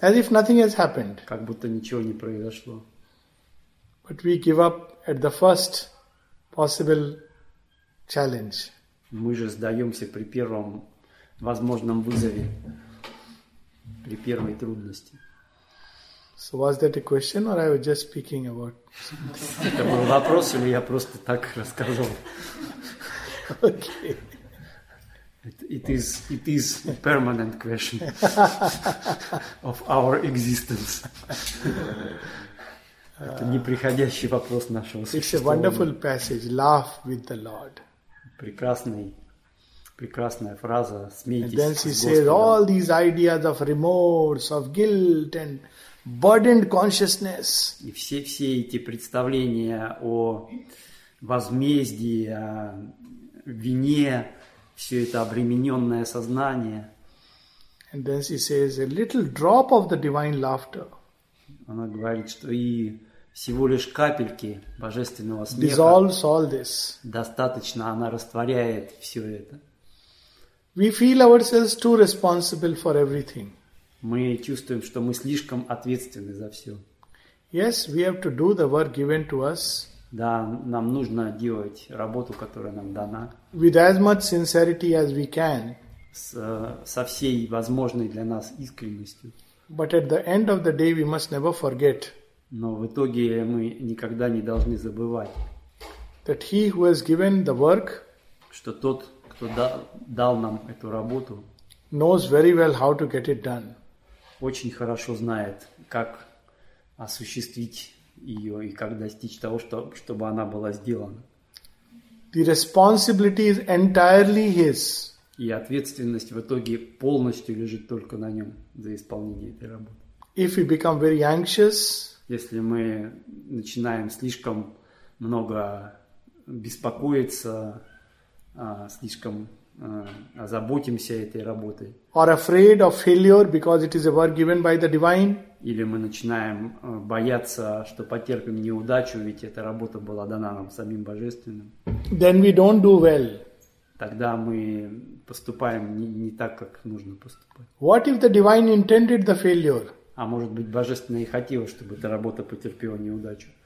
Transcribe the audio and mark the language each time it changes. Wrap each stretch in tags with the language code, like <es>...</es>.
<en>As if nothing has happened.</en> <ru>Как будто ничего не произошло.</ru> <en>But we give up at the first possible challenge.</en> <ru>Мы же сдаемся при первом возможном вызове, при первой трудности.</ru> <en>So was that a question or I was just speaking about something?</en> <ru>Это был вопрос или я просто так рассказывал?</ru> <en>Okay. It is a permanent question of our existence.</en> <ru>Это неприходящий вопрос нашего существования.</ru> <en>It's a wonderful passage. Laugh with the Lord.</en> <ru>Прекрасная фраза. Смейтесь с Господом.</ru> <en>And then she says, all these ideas of remorse, of guilt and burdened consciousness.</en> <ru>И все эти представления о возмездии, о вине, все это обремененное сознание.</ru> <en>And then she says, a little drop of the divine laughter.</en> <ru>Она говорит, что и всего лишь капельки божественного смеха.</ru> <en>Dissolves all this.</en> <ru>Достаточно, она растворяет все это.</ru> <en>We feel ourselves too responsible for everything.</en> <ru>Мы чувствуем, что мы слишком ответственны за все.</ru> <en>Yes, we have to do the work given to us.</en> <ru>Да, нам нужно делать работу, которая нам дана.</ru> <en>With as much sincerity as we can.</en> <ru>Со всей возможной для нас искренностью.</ru> <en>But at the end of the day, we must never forget.</en> <ru>Но в итоге мы никогда не должны забывать.</ru> <en>That he who has given the work.</en> <ru>Что тот, кто дал нам эту работу.</ru> <en>Knows very well how to get it done.</en> <ru>Очень хорошо знает, как осуществить ее и как достичь того, чтобы она была сделана.</ru> <en>The responsibility is entirely his.</en> <ru>И ответственность в итоге полностью лежит только на нем за исполнение этой работы.</ru> <en>If we become very anxious,</en> <ru>если мы начинаем слишком много беспокоиться, слишком озаботимся этой работой.</ru> <en>Or afraid of failure because it is a work given by the divine.</en> <ru>Или мы начинаем бояться, что потерпим неудачу, ведь эта работа была дана нам самим божественным.</ru> <en>Then we don't do well.</en> <ru>Тогда мы поступаем не так, как нужно поступать.</ru> <en>What if the divine intended the failure?</en> <ru>А может быть, божественное и хотело, чтобы эта работа потерпела неудачу.</ru>